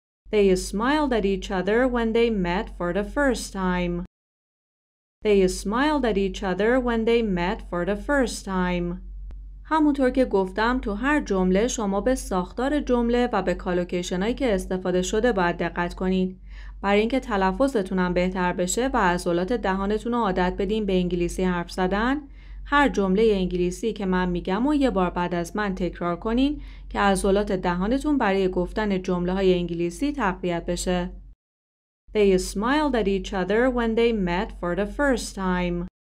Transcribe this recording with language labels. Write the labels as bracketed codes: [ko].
[en] They smiled at each other when they met for the first time. They smiled at each other when they met for the first time. [fa] همونطور که گفتم، تو هر جمله شما به ساختار جمله و به کالوکیشنایی که استفاده شده باید دقت کنین. برای اینکه تلفظتون هم بهتر بشه و عضلات دهانتون رو عادت بدین به انگلیسی حرف زدن، هر جمله انگلیسی که من میگم و یه بار بعد از من تکرار کنین که عضلات دهانتون برای گفتن جمله های انگلیسی تقویت بشه. [en] They smiled at each other when they met for the first time.